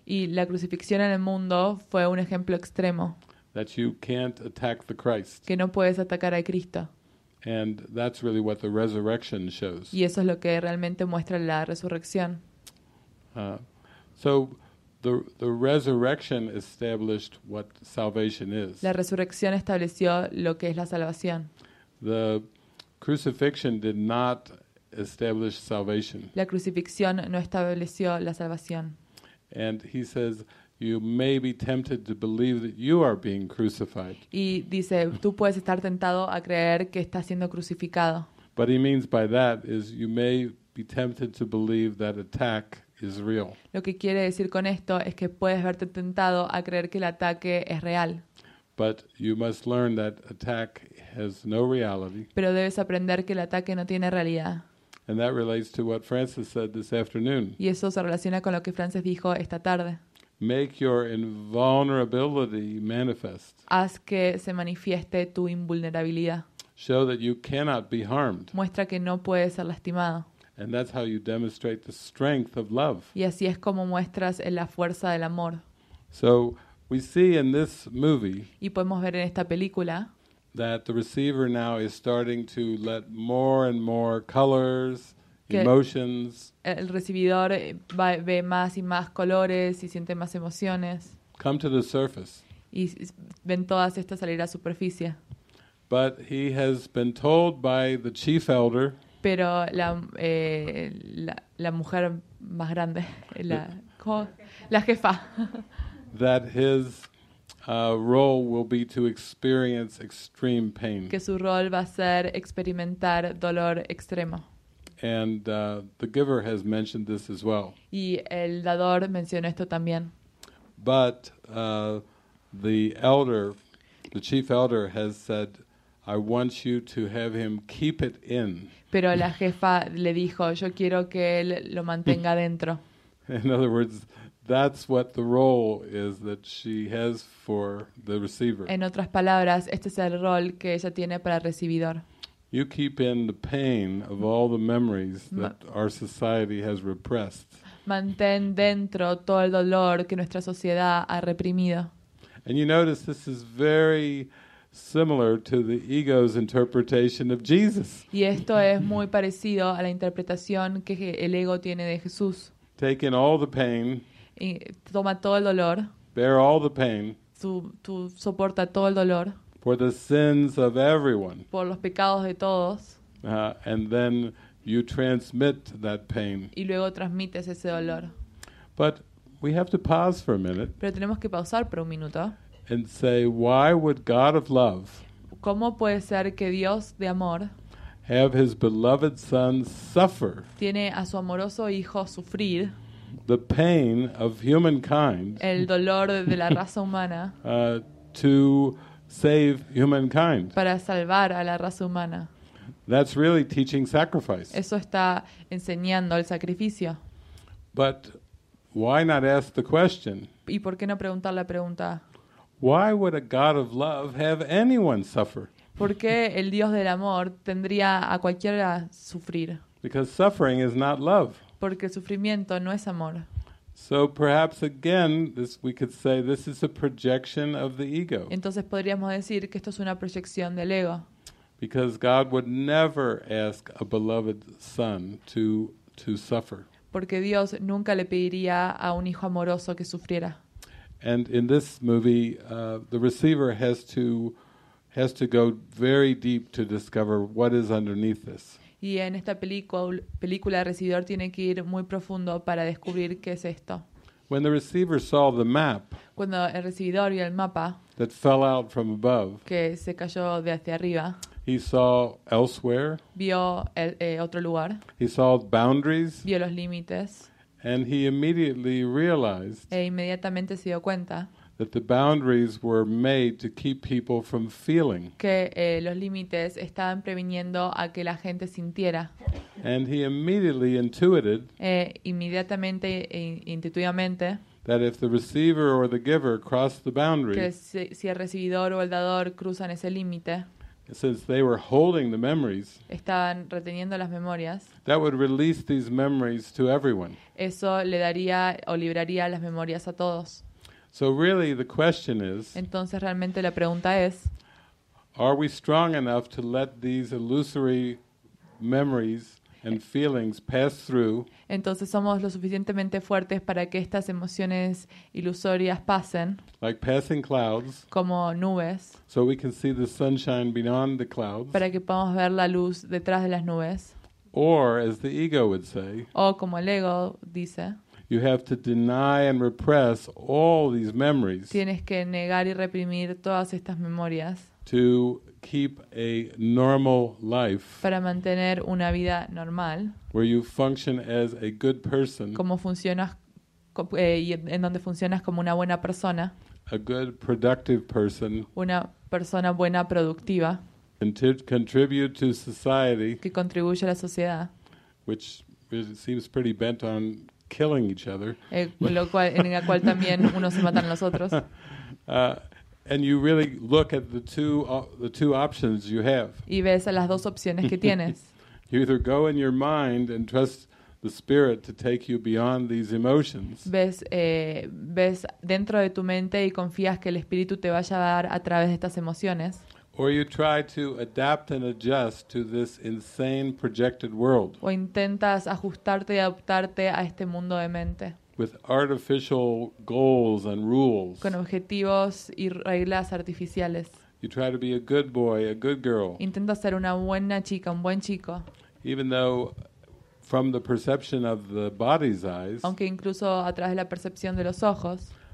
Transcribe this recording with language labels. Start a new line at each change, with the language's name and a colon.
Spanish: Y la crucifixión en el mundo fue un ejemplo extremo.
English: That you can't attack the Christ.
Spanish: Que no puedes atacar a Cristo.
English: And that's really what the resurrection shows.
Spanish: Y eso es lo que realmente muestra la resurrección.
English: So the resurrection established what salvation is.
Spanish: La resurrección estableció lo que es la salvación.
English: The crucifixion did not establish salvation.
Spanish: La crucifixión no estableció la salvación.
English: And he says, you may be tempted to believe that you are being crucified.
Spanish: Y dice, tú puedes estar tentado a creer que estás siendo crucificado.
English: But he means by that is you may be tempted to believe that attack is real.
Spanish: Lo que quiere decir con esto es que puedes verte tentado a creer que el ataque es real.
English: But you must learn that attack has no reality.
Spanish: Pero debes aprender que el ataque no tiene realidad.
English: And that relates to what Francis said this afternoon.
Spanish: Y eso se relaciona con lo que Francis dijo esta tarde.
English: Make your invulnerability manifest.
Spanish: Haz que se manifieste tu invulnerabilidad.
English: Show that you cannot be harmed.
Spanish: Muestra que no puedes ser lastimado.
English: And that's how you demonstrate the strength of love.
Spanish: Y así es como muestras la fuerza del amor.
English: So we see in this movie.
Spanish: Y podemos ver en esta película.
English: That the receiver now is starting to let more and more colors, emotions.
Spanish: El recibidor ve más y más colores y siente más emociones.
English: Come to the surface.
Spanish: Y ven todas estas salir a superficie.
English: But he has been told by the chief elder.
Spanish: Pero la mujer más grande, la jefa.
English: That his role will be to experience extreme pain.
Spanish: Que su rol va a ser experimentar dolor extremo.
English: And the giver has mentioned this as well.
Spanish: Y el dador mencionó esto también.
English: But the elder, the chief elder, has said, "I want you to have him keep it in."
Spanish: Pero la jefa le dijo, "Yo quiero que él lo mantenga dentro."
English: In other words, that's what the role is that she has for the receiver.
Spanish: En otras palabras, este es el rol que ella tiene para el recibidor.
English: You keep in the pain of all the memories that our society has repressed.
Spanish: Mantén dentro todo el dolor que nuestra sociedad ha reprimido.
English: And you notice this is very similar to the ego's interpretation of Jesus.
Spanish: Y esto es muy parecido a la interpretación que el ego tiene de Jesús.
English: Take in all the pain.
Spanish: Y toma todo el dolor.
English: Bear all the pain.
Spanish: Tú soporta todo el dolor.
English: For the sins of everyone.
Spanish: Por los pecados de todos.
English: And then you transmit that pain.
Spanish: Y luego transmites ese dolor.
English: But we have to pause for a minute.
Spanish: Pero tenemos que pausar por un minuto.
English: And say, why would God of love?
Spanish: ¿Cómo puede ser que Dios de amor?
English: Have his beloved son suffer.
Spanish: Tiene a su amoroso hijo sufrir.
English: The pain of humankind.
Spanish: El dolor de la raza humana.
English: To save humankind.
Spanish: Para salvar a la raza humana.
English: That's really teaching sacrifice.
Spanish: Eso está enseñando el sacrificio.
English: But why not ask the question?
Spanish: ¿Y por qué no preguntar la pregunta?
English: Why would a God of love have anyone suffer?
Spanish: ¿Por qué el Dios del amor tendría a cualquiera sufrir?
English: Because suffering is not love.
Spanish: Porque el sufrimiento no es amor.
English: So perhaps again, this we could say this is a projection of the ego.
Spanish: Entonces podríamos decir que esto es una proyección del ego.
English: Because God would never ask a beloved son to suffer.
Spanish: Porque Dios nunca le pediría a un hijo amoroso que sufriera.
English: And in this movie, the receiver has to go very deep to discover what is underneath this.
Spanish: Y en esta película el recibidor tiene que ir muy profundo para descubrir qué es esto.
English: When the receiver saw the map,
Spanish: cuando el recibidor vio el mapa,
English: that fell out from above,
Spanish: que se cayó de hacia arriba,
English: he saw elsewhere,
Spanish: vio otro lugar,
English: he saw boundaries,
Spanish: vio los límites,
English: and he immediately realized,
Spanish: e inmediatamente se dio cuenta,
English: that the boundaries were made to keep people from feeling.
Spanish: Que los límites estaban previniendo a que la gente sintiera.
English: And he immediately intuited.
Spanish: Inmediatamente e intuitivamente.
English: That if the receiver or the giver crossed the boundary.
Spanish: Que si el recibidor o el dador cruzan ese límite.
English: Since they were holding the memories.
Spanish: Estaban reteniendo las memorias.
English: That would release these memories to everyone.
Spanish: Eso le daría o libraría las memorias a todos.
English: So really the question is,
Spanish: entonces realmente la pregunta es,
English: are we strong enough to let these illusory memories and feelings pass through?
Spanish: Entonces somos lo suficientemente fuertes para que estas emociones ilusorias pasen,
English: like passing clouds,
Spanish: como nubes,
English: so we can see the sunshine beyond the clouds,
Spanish: para que podamos ver la luz detrás de las nubes,
English: or as the ego would say,
Spanish: o como el ego dice,
English: you have to deny and repress all these memories.
Spanish: Tienes que negar y reprimir todas estas memorias.
English: To keep a normal life.
Spanish: Para mantener una vida normal.
English: Where you function as a good person.
Spanish: Como funcionas y en donde funcionas como una buena persona.
English: A good productive person.
Spanish: Una persona buena productiva.
English: Contribute to society.
Spanish: Que contribuye a la sociedad.
English: Which seems pretty bent on killing each other.
Spanish: Lo cual, en la cual también unos se matan los otros.
English: And you really look at the two options you have.
Spanish: Y ves a las dos opciones que tienes.
English: You either go in your mind and trust the spirit to take you beyond these emotions.
Spanish: Ves dentro de tu mente y confías que el espíritu te va a llevar a través de estas emociones.
English: Or you try to adapt and adjust to this insane projected world.
Spanish: O intentas ajustarte y adaptarte a este mundo de mente.
English: With artificial goals and rules.
Spanish: Con objetivos y reglas artificiales.
English: You try to be a good boy, a good girl.
Spanish: Intentas ser una buena chica, un buen chico.
English: Even though from the perception of the body's eyes.
Spanish: Aunque incluso a través de la percepción de los ojos.